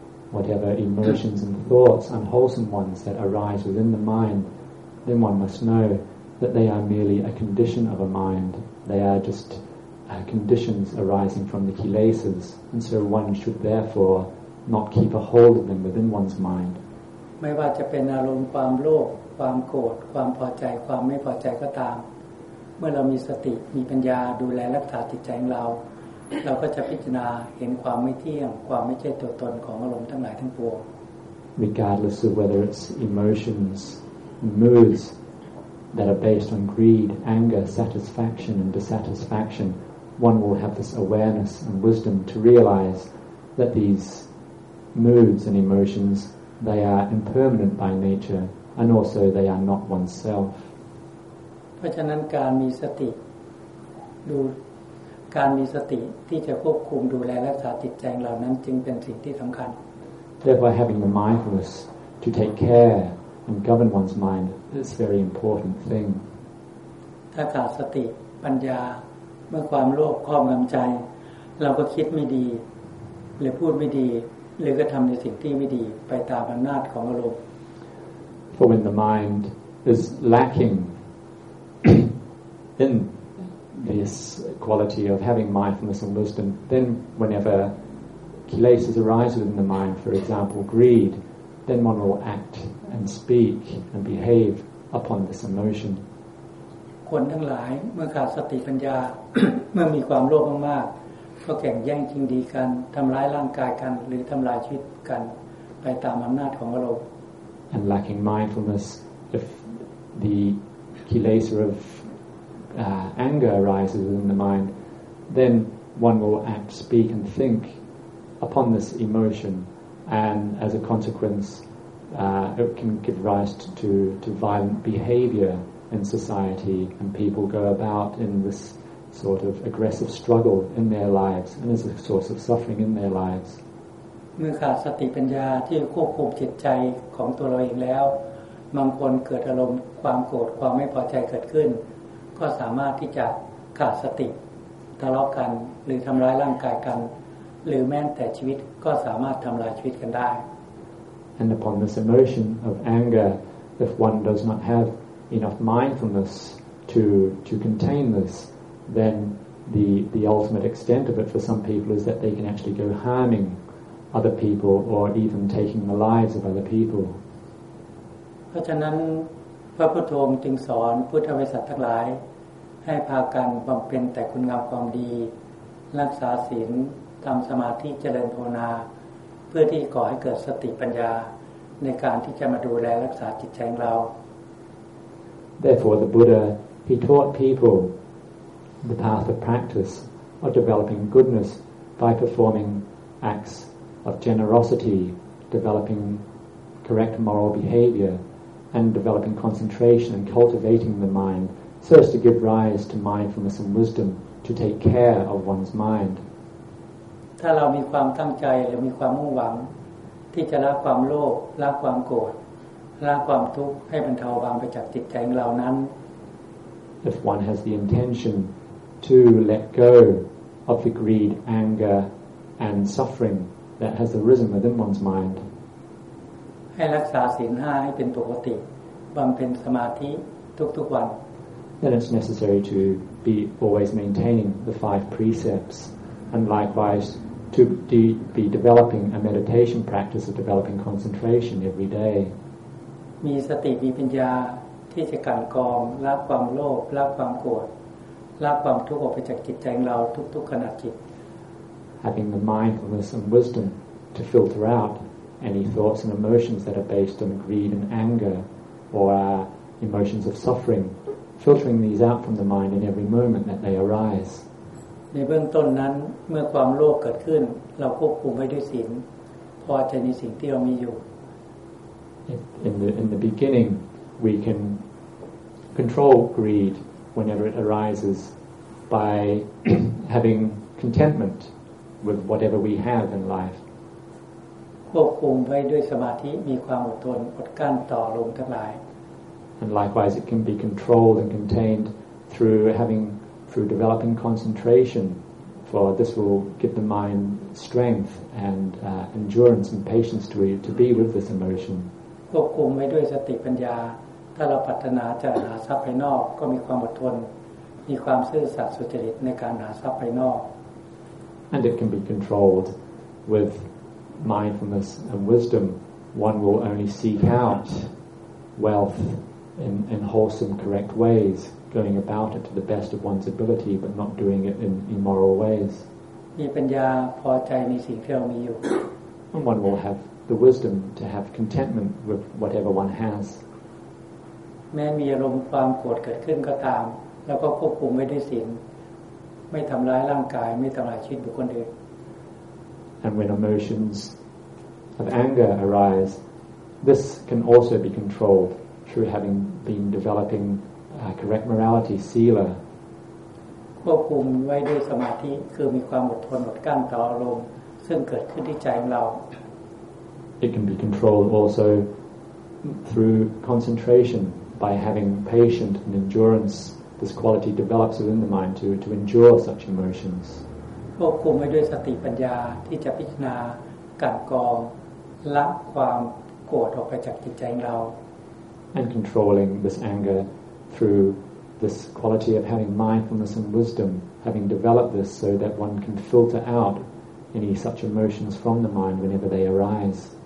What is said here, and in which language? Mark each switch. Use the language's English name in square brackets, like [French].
[English] Whatever emotions and thoughts, unwholesome ones that arise within the mind, then one must know that they are merely a condition of a mind. They are just conditions arising from the kilesas, and so one should therefore not keep a hold of them within one's mind. [Thai] ไม่ว่าจะเป็นอารมณ์ความโลภความโกรธความพอใจความไม่พอใจก็ตามเมื่อเรามีสติมีปัญญาดูแลรักษาจิตใจของเราเราก็จะพิจารณาเห็นความไม่เที่ยงความไม่ใช่ตัวตนของอารมณ์ทั้งหลายทั้งปวง [English] Regardless of whether it's emotions, moods that are based on greed, anger, satisfaction and dissatisfaction, one will have this awareness and wisdom to realize that these moods and emotions, they are impermanent by nature and also they are not oneself. [Thai] เพราะฉะนั้นการมีสติดูการมีสติที่จะควบคุมดูแลรักษาจิตใจเหล่านั้นจึงเป็นสิ่งที่สำคัญ [English] Therefore having the mindfulness to take care and govern one's mind is a very important thing. [Thai] ถ้าขาดสติปัญญาเมื่อความโลภครอบงำใจเราก็คิดไม่ดีหรือพูดไม่ดีหรือก็ทำในสิ่งที่ไม่ดีไปตามอำนาจของอารมณ์ [English] For when the mind is lacking in this quality of having mindfulness and wisdom, then whenever kilesas arise within the mind, for example greed, then one will act and speak and behave upon this emotion. [Thai] คนทั้งหลายเมื่อขาดสติปัญญาเมื่อมีความโลภมากก็แข่งแย่งชิงดีกันทำร้ายร่างกายกันหรือทำลายชีวิตกันไปตามอำนาจของอารมณ์ [English] And lacking mindfulness, if the kilesa of anger arises in the mind, then one will act, speak, and think upon this emotion, and as a consequence, it can give rise to violent behavior in society, and people go about in this. Sort of aggressive struggle in their lives and is a source of suffering in their lives. [Thai] เมื่อขาดสติปัญญาที่ควบคุมจิตใจของตัวเราเองแล้วบางคนเกิดอารมณ์ความโกรธความไม่พอใจเกิดขึ้นก็สามารถที่จะขาดสติทะเลาะกันหรือทำร้ายร่างกายกันหรือแม้แต่ชีวิตก็สามารถทำลายชีวิตกันได้ [English] And upon this emotion of anger, if one does not have enough mindfulness to contain this. Then the ultimate extent of it for some people is that they can actually go harming other people or even taking the lives of other people. [Thai] เพราะฉะนั้นพระพุทธองค์จึงสอนพุทธบริษัททั้งหลายให้พากันบำเพ็ญแต่คุณงามความดีรักษาศีลทำสมาธิเจริญภาวนาเพื่อที่ก่อให้เกิดสติปัญญาในการที่จะมาดูแลรักษาจิตใจของเรา [English] Therefore the Buddha he taught peopleThe path of practice of developing goodness by performing acts of generosity, developing correct moral behavior, and developing concentration and cultivating the mind so as to give rise to mindfulness and wisdom to take care of one's mind. [Thai] ถ้าเรามีความตั้งใจหรือมีความมุ่งหวังที่จะละความโลภละความโกรธละความทุกข์ให้บรรเทาบางไปจากจิตใจของเรานั้น [English] If one has the intentionTo let go of the greed, anger, and suffering that has arisen within one's mind. [Thai] ให้รักษาศีล5ให้เป็นปกติบำเพ็ญสมาธิทุกๆวัน [English] Then it's necessary to be always maintaining the five precepts, and likewise to be developing a meditation practice of developing concentration every day. [Thai] มีสติมีปัญญาที่จะกันกองละความโลภละความโกรธละความทุกข์ออกไปจากจิตใจของเราทุกๆขณะจิต [English] Having the mindfulness and wisdom to filter out any thoughts and emotions that are based on greed and anger or emotions of suffering, filtering these out from the mind in every moment that they arise. [Thai] ในเบื้องต้นนั้นเมื่อความโลภเกิดขึ้นเราควบคุมไว้ด้วยศีลพอใจในสิ่งที่เรามีอยู่ [English] In the beginning, we can control greed whenever it arises by having contentment with whatever we have in life. [Thai] ควบคุมไว้ด้วยสมาธิมีความอดทนอดกั้นต่อลมทั้งหลาย [English] And likewise it can be controlled and contained through having through developing concentration for this will give the mind strength and endurance and patience to be with this emotion [Thai] ควบคุมไว้ด้วยสติปัญญาถ้าเราปรารถนาจะหาทรัพย์ภายนอกก็มีความอดทนมีความซื่อสัตย์สุจริตในการหาทรัพย์ภายนอก [English] And it can be controlled with mindfulness and wisdom one will only seek out wealth in wholesome correct ways going about it to the best of one's ability but not doing it in immoral ways [Thai] มีปัญญาพอใจในสิ่งที่เรามีอยู่ [English] and one will have the wisdom to have contentment with whatever one has [Thai] แม้มีอารมณ์ความโกรธเกิดขึ้นก็ตามแล้วก็ควบคุมไว้ด้วยศีลไม่ทำร้ายร่างกายไม่ทำร้ายชีวิตบุคคลอื่น [English] And when emotions of anger arise, this can also be controlled through having been developing a correct morality sila. [Thai] ควบคุมไว้ด้วยสมาธิคือมีความอดทนอดกั้นต่ออารมณ์ซึ่งเกิดขึ้นที่ใจของเรา [English] It can be controlled also through concentration by having patience and endurance. This quality develops within the mind to endure such emotions. [Thai] ควบคุมไว้ด้วยสติปัญญาที่จะพิจารณาการกองละความโกรธออกไปจากจิตใจของเรา [English] and controlling this anger through this quality of having mindfulness and wisdom having developed this so that one can filter out any such emotions from the mind whenever they arise